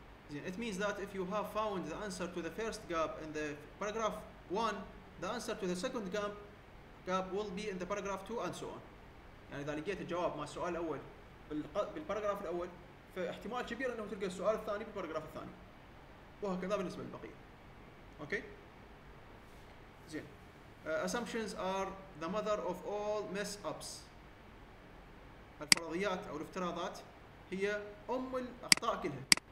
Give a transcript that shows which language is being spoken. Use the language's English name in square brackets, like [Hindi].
[English] زين، it means that if you have found the answer to the first gap in the paragraph 1, the answer to the second gap will be in the paragraph 2 and so on. [Arabic] يعني إذا لقيت الجواب مع السؤال الأول بالباراجراف الأول، فاحتمال كبير أنه تلقى السؤال الثاني بالباراجراف الثاني. وهكذا بالنسبة للبقية. أوكي؟ زين. [English] Assumptions are the mother of all mess ups. [Arabic] الفرضيات أو الافتراضات هي أم الأخطاء كلها.